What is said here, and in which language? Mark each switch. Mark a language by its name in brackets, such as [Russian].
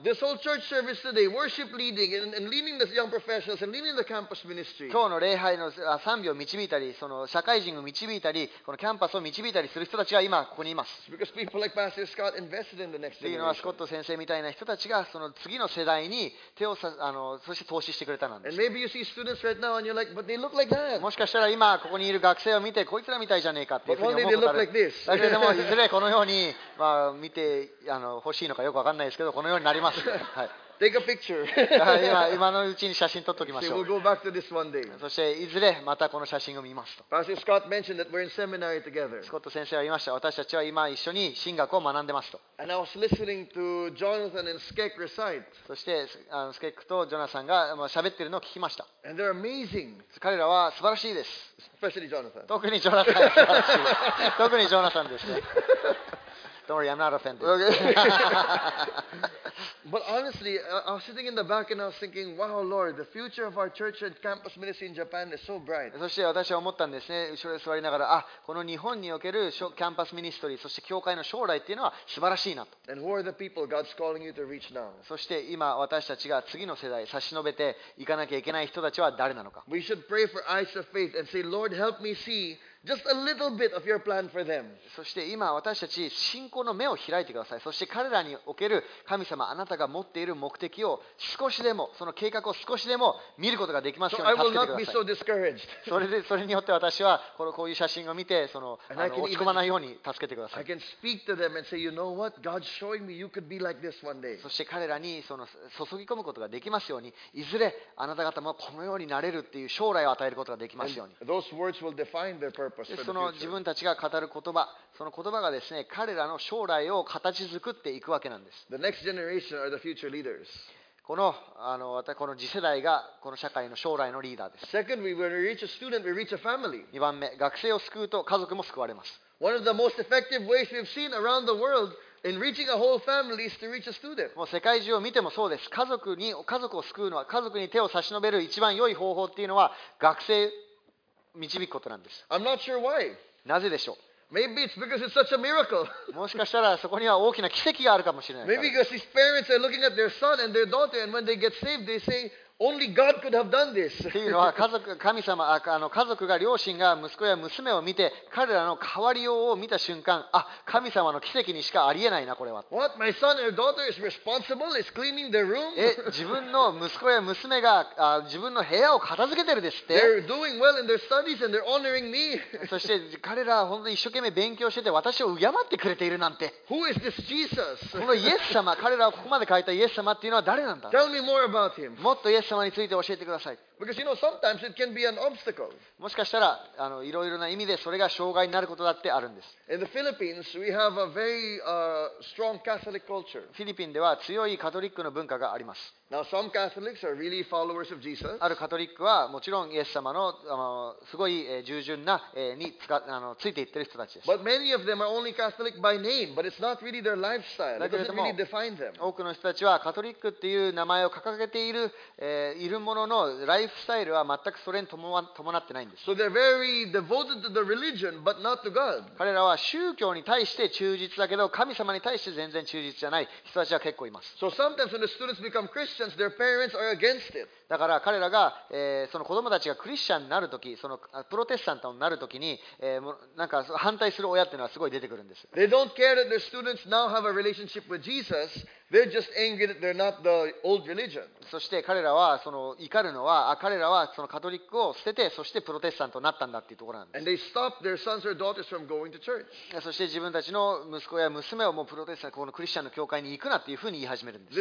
[English] This whole church service today, worship leading and leading the young professionals and leading the campus ministry. [Japanese] 今日の礼拝の賛美を導いたり、その社会人を導いたり、このキャンパスを導いたりする人たちが今ここにいます。 [English] Because people like Pastor Scott invested in the next generation. [Japanese] というのはスコット先生みたいな人たちがその次の世代に手をそして投資してくれたなんです。 [English] And maybe you see students right now and you're like, but they look like that. [Japanese] もしかしたら今ここにいる学生を見てこいつらみたいじゃねえかっていうふうに思うことある。 [English] But [Japanese] でもいずれこのように見て欲しいのかよく。分かんないですけどこのようになります。はい、 [English] Take a picture. [Japanese] 今のうちに写真撮っておきましょう。 [English] See, we'll go back to this one day. [Japanese] そしていずれまたこの写真を見ますと。 [English] Pastor Scott mentioned that we're in seminary together. [Japanese] スコット先生は言いました。私たちは今一緒に神学を学んでますと。 [English] And I was listening to Jonathan and Skek recite. [Japanese] そしてスケックとジョナサンが喋っているのを聞きました。 [English] And they're amazing. [Japanese] 彼らは素晴らしいです。 [English] Especially Jonathan. [Japanese] 特にジョナサン素晴らしい。特にジョナサンですね。 [English] Don't worry, I'm not offended. Okay. But honestly, I was sitting in the back and I was thinking, wow, Lord, the future of our church and campus ministry in Japan is so bright. [Japanese] そして私は思ったんですね。後ろに座りながら、あ、この日本におけるキャンパスミニストリー、そして教会の将来っていうのは素晴らしいなと。 [English] And who are the people God's calling you to reach now? [Japanese] そして今私たちが次の世代差し伸べていかなきゃいけない人たちは誰なのか。 [English] We should pray for eyes of faith and say, Lord, help me see. Just a little bit of your plan for them. [Japanese] そして今私たち信仰の目を開いてください。そして彼らにおける神様、あなたが持っている目的を少しでも、その計画を少しでも見ることができますように助けてください。 [English] So I will not be so discouraged. [Japanese] それによって私はこういう写真を見て、落ち込まないように助けてください。 [English] I can speak to them and say, you know what? God's showing me you could be like this one day. [Japanese] そして彼らにその注ぎ込むことができますように、いずれあなた方もこのようになれるっていう将来を与えることができますように。 [English] And those words will define their purpose. [Japanese] でその自分たちが語る言葉、その言葉がですね、彼らの将来を形作っていくわけなんです。 [English] The next generation are the future leaders. [Japanese] この次世代がこの社会の将来のリーダーです。 [English] Secondly, when we reach a student, we reach a family. [Japanese] 2番目、学生を救うと家族も救われます。 [English] One of the most effective ways we've seen around the world. In reaching a whole family is to reach a student. [Japanese] もう世界中を見てもそうです。家族を救うのは、家族に手を差し伸べる一番良い方法っていうのは学生導くことなんです。 [English] I'm not sure why. [Japanese] なぜでしょう。 [English] Maybe it's because it's such a miracle. [Japanese] もしかしたらそこには大きな奇跡があるかもしれない。 [English] Maybe because his parents are looking at their son and their daughter, and when they get saved, they say. Only God could have done this. [Japanese] というのは神様、家族が両親が息子や娘を見て彼らの変わりようを見た瞬間、あ、神様の奇跡にしかありえないな、これは。 [English] What? My son or daughter is responsible? Is cleaning their room? [Japanese] 自分の息子や娘が自分の部屋を片付けてるですって。 [English] They're doing well in their studies and they're honoring me. [Japanese] そして彼らは本当に一生懸命勉強してて私を敬ってくれているなんて。 [English] Who is this Jesus? [Japanese] このイエス様、彼らをここまで書いたイエス様っていうのは誰なんだ。 [English] Tell me more about him. [Japanese] もっとイエス様について教えてください。 [English] Because you know, sometimes it can be an obstacle. [Japanese] もしかしたらいろいろな意味でそれが障害になることだってあるんです。 [English] In the Philippines, we have a very strong Catholic culture. [Japanese] フィリピンでは強いカトリックの文化があります。 [English] Now, some Catholics are really followers of Jesus. [Japanese] あるカトリックはもちろんイエス様のすごい従順なについていってる人たちです。 [English] But many of them are only Catholic by name, but it's not really their lifestyle. It doesn't really define them. [Japanese] 多くの人たちはカトリックっていう名前を掲げているものの。ライライフスタイルは全くそれに伴ってないんです。 [English] So they're very devoted to the religion, but not to God. [Japanese] 彼らは宗教に対して忠実だけど、神様に対して全然忠実じゃない人たちは結構います。 [English] So sometimes when the students become Christians, their parents are against it. [Japanese] だから彼らが、その子供たちがクリスチャンになるとき、そのプロテスタントになるときに、なんか反対する親っていうのはすごい出てくるんです。 [English] They don't care that their students now have a relationship with Jesus. They're just angry that they're not the old religion. [Japanese] そして彼らはその怒るのは、彼らはそのカトリックを捨てて、そしてプロテスタントになったんだっていうところなんです。 [English] And they stop their sons or daughters from going to church. [Japanese] そして自分たちの息子や娘をもうプロテスタント、このクリスチャンの教会に行くなっていうふうに言い始めるんです。